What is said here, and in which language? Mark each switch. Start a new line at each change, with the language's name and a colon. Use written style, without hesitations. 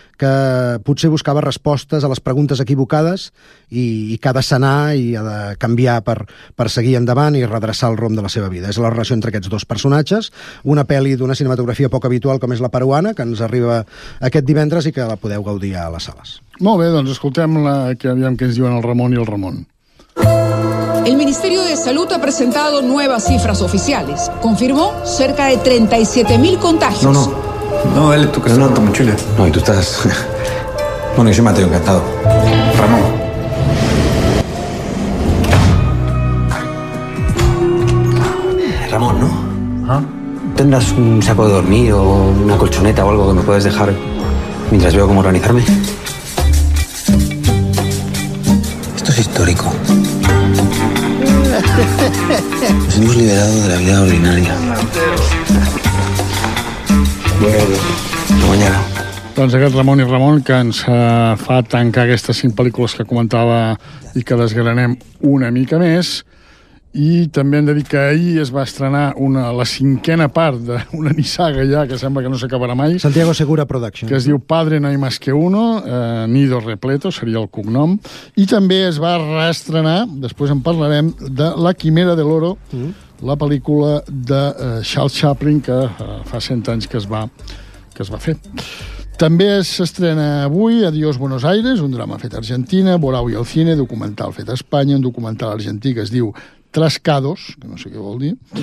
Catalan: que potser buscava respostes a les preguntes equivocades i que ha de sanar i ha de canviar per seguir endavant i redreçar el rumb de la seva vida. És la relació entre aquests dos personatges, una pel·li d'una cinematografia poc habitual com és la peruana, que ens arriba aquest divendres i que la podeu gaudir a les sales. Molt bé, doncs escoltem que aviam què ens diuen el Ramon i el Ramon.
Spanish: El Ministerio de Salud ha presentado nuevas cifras oficiales. Confirmó cerca de 37.000 contagios. No, él es tu creador, tu mochila. No, y tú estás... Bueno, yo me he encantado. Ramón. Ramón, ¿no? ¿Ah? ¿Tendrás un saco de dormir o una colchoneta o algo que me puedes dejar mientras veo cómo organizarme? Esto es histórico. Nos hemos liberado de la vida ordinaria. Bueno, mañana.
Catalan: Doncs aquest Ramon i Ramon, que ens fa tancar aquestes 5 pel·lícules que comentava i que desgranem una mica més. I també hem de dir que ahir es va estrenar la cinquena part d'una nissaga ja, que sembla que no s'acabarà mai. Santiago Segura Production. Que es diu Padre no hay más que uno, Nido repleto, seria el cognom. I també es va reestrenar, després en parlarem, de La Quimera del Oro, la pel·lícula de Charles Chaplin, que fa 100 anys que es va fer. També s'estrena avui Adiós Buenos Aires, un drama fet a Argentina, Borau i el cine, documental fet a Espanya, un documental argentí que es diu Trascados, que no sé què vol dir,